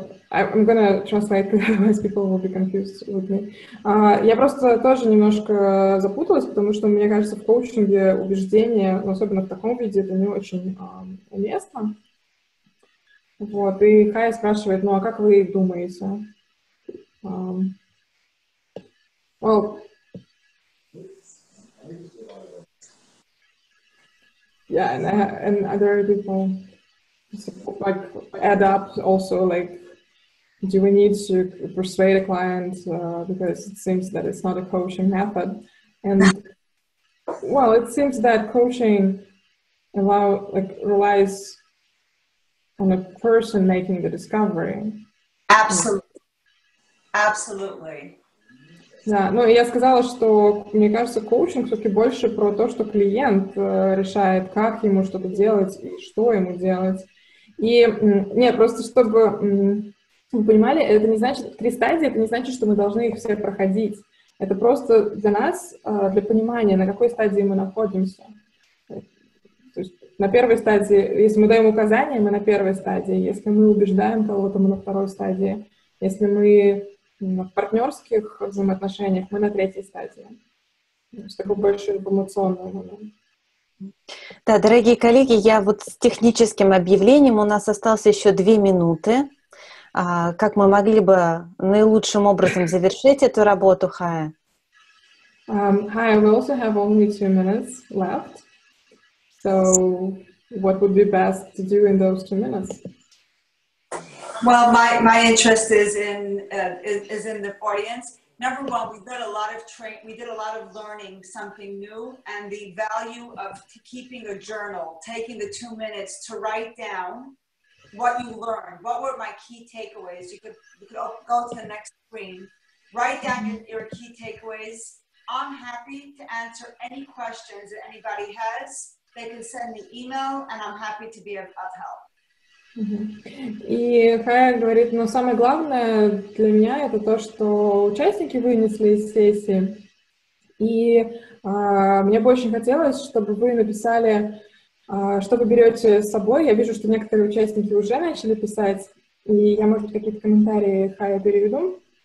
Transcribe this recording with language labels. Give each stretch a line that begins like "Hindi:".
English: I'm gonna translate, otherwise people will be confused with me.
Russian: Я просто тоже немножко запуталась, потому что, мне кажется, в коучинге убеждения, особенно в таком виде, это не очень уместно. Вот, и Кая спрашивает, а как вы думаете?
English: And other people like add up also, like, do we need to persuade a client because it seems that it's not a coaching method? And well, it seems that coaching relies on a person making the discovery. Absolutely.
Russian: Да, я сказала, что, мне кажется, коучинг все-таки больше про то, что клиент решает, как ему что-то делать и что ему делать. И, просто чтобы вы понимали, это не значит, три стадии, это не значит, что мы должны их все проходить. Это просто для нас, для понимания, на какой стадии мы находимся. То есть на первой стадии, если мы даем указания, мы на первой стадии. Если мы убеждаем кого-то, мы на второй стадии. Если мы в партнерских взаимоотношениях, мы на третьей стадии. Такой больше информационный момент. Да, дорогие коллеги, я вот с техническим объявлением, у нас осталось еще 2 минуты. Как мы могли бы наилучшим образом завершить эту работу, Хая?
English: Хая, we also have only 2 minutes left. So what would be best to do in those 2 minutes? Well, my interest is in the audience. Number one, we did a lot of learning something new, and the value of keeping a journal, taking the 2 minutes to write down what you learned. What were my key takeaways? You could go to the next screen, write down your key takeaways. I'm happy to answer any questions that anybody has. They can send me email, and I'm happy to be of help.
Russian: И Хая говорит, самое главное для меня это то, что участники вынесли из сессии. И мне бы очень хотелось, чтобы вы написали, что вы берете с собой. Я вижу, что некоторые участники уже начали писать, и я, может быть, какие-то комментарии Хая переведу.